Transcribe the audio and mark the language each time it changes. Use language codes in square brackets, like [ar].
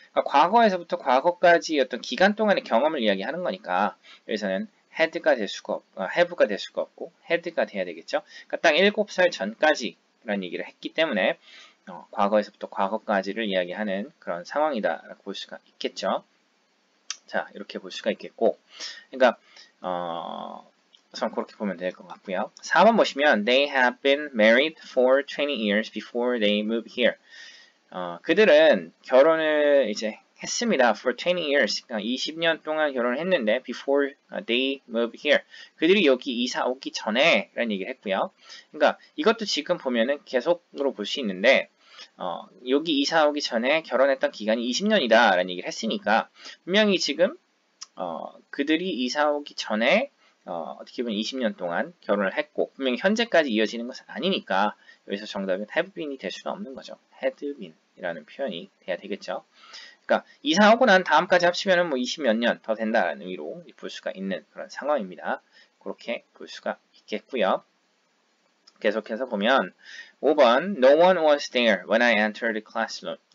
[ko] 그러니까 과거에서부터 과거까지 어떤 기간 동안의 경험을 이야기하는 거니까 여기서는 had가 될 수가 없고 have가 될 수가 없고 had가 돼야 되겠죠. 그러니까 딱 7살 전까지라는 얘기를 했기 때문에 과거에서부터 과거까지를 이야기하는 그런 상황이다라고 볼 수가 있겠죠. 자, 이렇게 볼 수가 있겠고, 그러니까 우선 그렇게 보면 될 것 같고요. 4번 보시면 [en] they have been married for 20 years before they moved here. [ko] 그들은 결혼을 이제 했습니다. [en] For 20 years. [ko] 그러니까 20년 동안 결혼을 했는데 [en] before they moved here. [ko] 그들이 여기 이사 오기 전에 라는 얘기를 했고요. 그러니까 이것도 지금 보면은 계속으로 볼 수 있는데 여기 이사 오기 전에 결혼했던 기간이 20년이다 라는 얘기를 했으니까 분명히 지금 그들이 이사 오기 전에 어떻게 보면 20년 동안 결혼을 했고 분명히 현재까지 이어지는 것은 아니니까 여기서 정답은 have been이 될 수는 없는 거죠. had been이라는 표현이 돼야 되겠죠. 그러니까 이사하고 난 다음까지 합치면 뭐 20몇 년 더 된다라는 의미로 볼 수가 있는 그런 상황입니다. 그렇게 볼 수가 있겠고요. 계속해서 보면 5번 [en] No one was there when I entered the classroom.